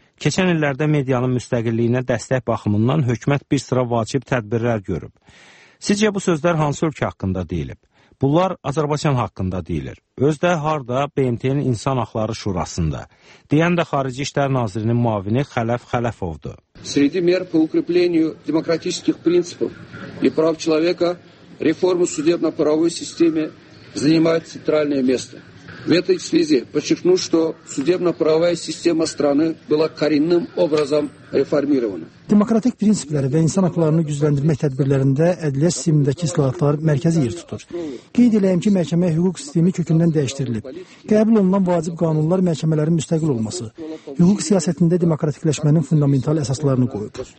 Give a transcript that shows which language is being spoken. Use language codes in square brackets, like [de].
[az] Keçən illərdə medianın müstəqilliyinə dəstək baxımından hökumət bir sıra vacib tədbirlər görüb. Sizcə bu sözlər hansı ölkə haqqında deyilib? Bunlar Azərbaycan haqqında deyilir. Özdə harda BMT-nin İnsan Haqları Şurasında. Deyən də Xarici İşlər Nazirinin müavini Xələf Xələfovdur. [ru] Среди мер по укреплению демократических принципов и прав человека реформа судебно-правовой системы занимает центральное место. В этой связи подчеркну, что судебно-правовая система страны была коренным образом реформирована. [az] Demokratik prinsipləri və insan haqlarını gücləndirmək tədbirlərində ədliyyət sistemindəki islahatlar mərkəzi yer tutur. Qeyd eləyim ki, məhkəmə hüquq sistemi kökündən dəyişdirilib. Qəbul olunan vacib qanunlar məhkəmələrin müstəqil olması, hüquq siyasətində demokratikləşmənin fundamental əsaslarını qoyub.